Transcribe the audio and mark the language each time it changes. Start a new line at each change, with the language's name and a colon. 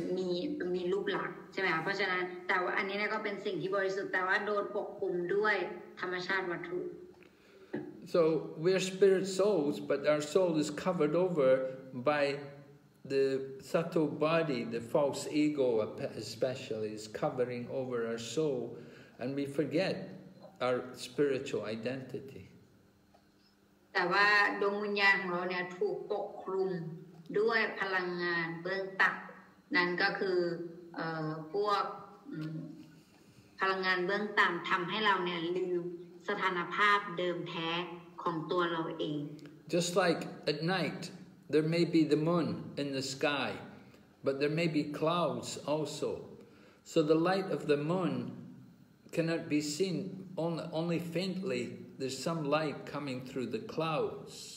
Thai: เป็นมีรูปหลักใช่ไหมครับเพราะฉะนั้นแต่ว่าอันนี้เนี่ยก็เป็นสิ่งที่บริสุทธิ์แต่ว่าโดนปกคลุมด้วยธรรมชาติวัตถุ
English: so we're spirit souls but our soul is covered over by the subtle body the false ego especially is covering over our soul and we forget our spiritual identity
Thai: แต่ว่าดวงวิญญาณของเราเนี่ยถูกปกคลุมด้วยพลังงานเบื้องต่ำนั่นก็คือพวกพลังงานเบื้องต่ำทำให้เราเนี่ยลืม สถานภาพเดิมแท้ของตัวเราเอง
English: Just like at night there may be the moon in the sky but there may be clouds also so the light of the moon cannot be seen only faintly there's some light coming through the clouds